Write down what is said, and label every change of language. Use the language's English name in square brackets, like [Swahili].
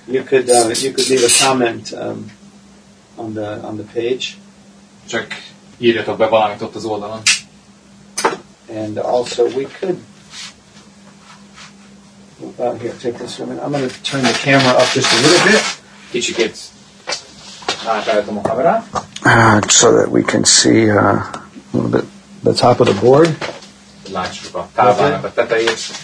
[English] You could leave a comment on the page. [Hungarian] Csak írjatok be valamit ott az oldalon. [English] And also we could here, take this for a minute. I'm going to turn the camera up just a little bit. [Hungarian] Kicsikét átállítom a kamerát. [English] So that we can see a little bit the top of the board. [Hungarian] Látsuk a tábának a tetejét.